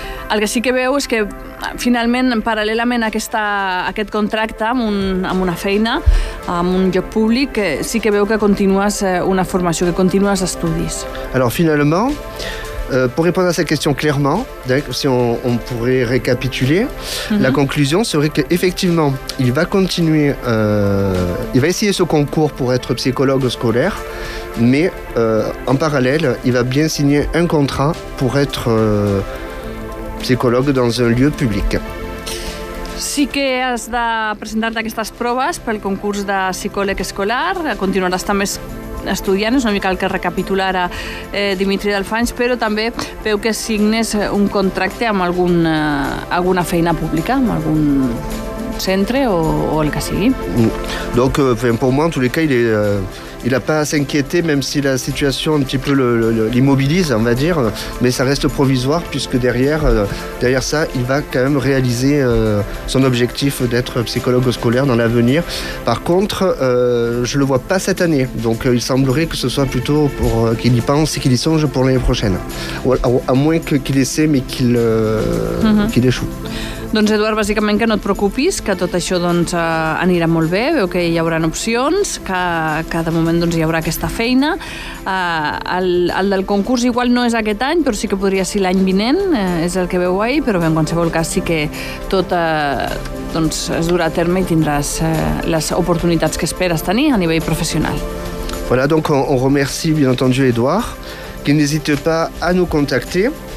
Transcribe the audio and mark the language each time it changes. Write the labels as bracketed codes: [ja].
[ca] El que sí que veu és que finalment, paral·lelament a aquest contracte amb una feina, amb un lloc públic, sí que veu que continues una formació, que continues estudis. [fr] Alors finalement... pour répondre à cette question clairement, si on pourrait récapituler, la conclusion serait qu'effectivement, il va continuer, il va essayer ce concours pour être psychologue scolaire, mais en parallèle, il va bien signer un contrat pour être psychologue dans un lieu public. [ca] Sí que has de presentar-te aquestes proves pel concurs de psicòleg escolar, continuaràs també estudiant, és una mica el que recapitula ara Dimitri Dalfanys, però també veu que signes un contracte amb alguna feina pública, amb algun centre o el que sigui. [fr] Donc, pour moi, en tous les cas, il a pas à s'inquiéter, même si la situation un petit peu l'immobilise, on va dire, mais ça reste provisoire, puisque derrière ça, il va quand même réaliser son objectif d'être psychologue scolaire dans l'avenir. Par contre, je le vois pas cette année, donc il semblerait que ce soit plutôt pour qu'il y pense et qu'il y songe pour l'année prochaine. À moins qu'il essaie, mais qu'il échoue. [ca] Doncs, Eduard, bàsicament que no et preocupis, que tot això doncs, anirà molt bé, veu que hi haurà opcions, que de moment doncs, hi haurà aquesta feina. El del concurs igual no és aquest any, però sí que podria ser l'any vinent, és el que veu ahir, però bé, en qualsevol cas sí que tot doncs, es durà a terme i tindràs les oportunitats que esperes tenir a nivell professional. [fr] Voilà, donc on remercie, bien entendu, Eduard, qui n'hésite pas à nous contacter.